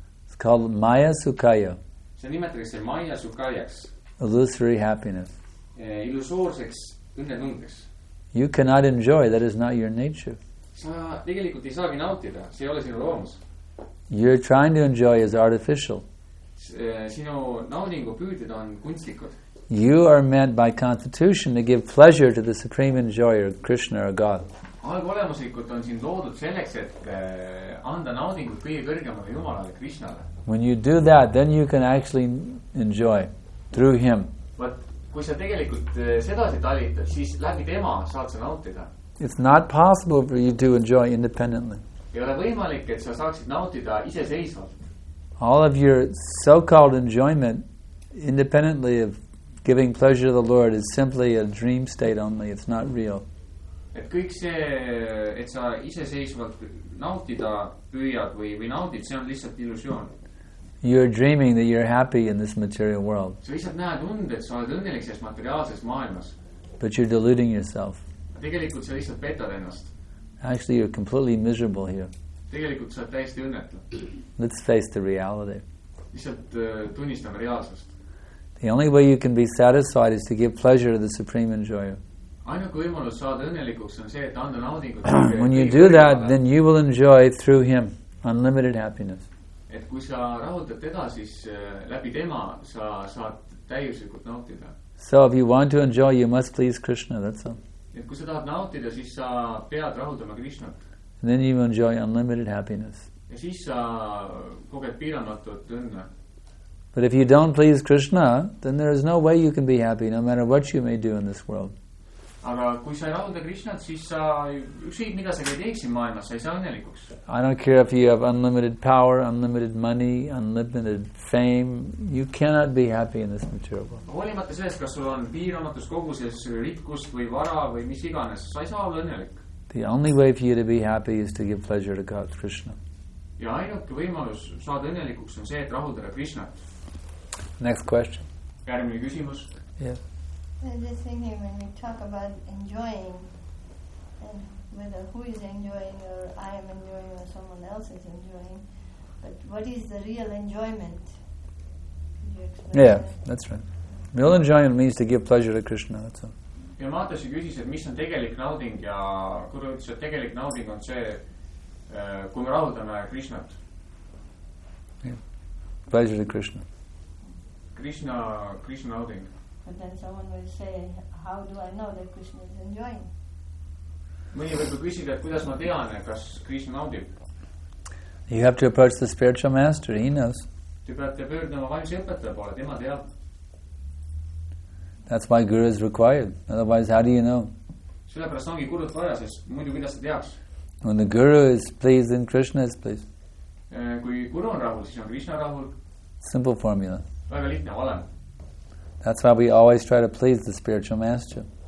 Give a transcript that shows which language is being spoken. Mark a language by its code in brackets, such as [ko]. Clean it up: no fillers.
[en] It's called Maya Sukaya. [et] See nimetatakse Maya Sukayaks. [en] Illusory happiness. [et] Illusoorseks õnnetundeks. [en] You cannot enjoy, that is not your nature. [et] Sa tegelikult ei saagi nautida, see ei ole sinu loomus. [en] You're trying to enjoy is artificial. [et] Sinu naudingu püüded on kunstlikud. [en] You are meant by constitution to give pleasure to the supreme enjoyer, Krishna or God. [et] Algolemuslikult on siin loodud selleks, et anda naudingud kõige kõrgemale Jumalale, Krishnale. [en] When you do that, then you can actually enjoy through him. But [et] kui sa tegelikult sedasi talitad, siis läbi tema saad sa nautida. [en] It's not possible for you to enjoy independently. [et] Ei ole võimalik, et sa saaksid nautida iseseisvalt. [en] All of your so-called enjoyment independently of giving pleasure to the Lord is simply a dream state only. It's not real. [et] Et kõik see, et sa iseseisvalt nautida püüad või naudid, see on lihtsalt illusioon. [en] You're dreaming that you're happy in this material world. [et] Sa lihtsalt näed und, et sa oled õnnelik selles materiaalses maailmas. [en] But you're deluding yourself. [et] Tegelikult sa lihtsalt petad ennast. [en] Actually, you're completely miserable here. [et] Tegelikult sa oled täiesti õnnetu. [en] Let's face the reality. [et] Lihtsalt tunnistame reaalsust. [en] The only way you can be satisfied is to give pleasure to the supreme enjoyer. When you do that, then you will enjoy through him unlimited happiness. So if you want to enjoy, you must please Krishna, that's all. And then you enjoy unlimited happiness. But if you don't please Krishna, then there is no way you can be happy, no matter what you may do in this world. [et] Aga kui sa ei rahulda Krishnat, siis sa ükskõik, mida sa käid teeksid maailmas, sa ei saa õnnelikuks. [en] I don't care if you have unlimited power, unlimited money, unlimited fame. You cannot be happy in this material world. [et] Olimata sellest, kas sul on piiramatus koguses rikkust või vara või mis iganes, sa ei saa olla õnnelik. [en] The only way for you to be happy is to give pleasure to God, Krishna. [et] Ja ainuke võimalus saada õnnelikuks on see, et rahuldada Krishnat. [en] Next question. [et] Järgmine küsimus. [en] Yeah. I'm just thinking when we talk about enjoying, and whether who is enjoying, or I am enjoying, or someone else is enjoying, but what is the real enjoyment? Yeah, that's right. Real enjoyment means to give pleasure to Krishna, that's all. [et] Ja Mata si küsis, et mis on tegelik nauding, ja kuru ütles, et tegelik nauding on see, kui me rahuldame Krishnat. [en] Yeah, pleasure to Krishna. [et] Krishna nauding. [en] But then someone will say, how do I know that Krishna is enjoying? [et] Mõni võib küsida, et kuidas ma tean, kas Krishna naudib. [en] You have to approach the spiritual master, he knows. [et] Te peate pöörduma vaimse õpetaja poole, tema teab. [en] That's why guru is required. Otherwise, how do you know? [et] Sellepärast ongi gurut vaja, sest muidu kuidas sa teaks. [en] When the guru is pleased, then Krishna is pleased. [et] Kui guru on rahul, siis on Krishna rahul. [en] Simple formula. [et] Väga lihtne valem. [en] That's why we always try to please the spiritual master.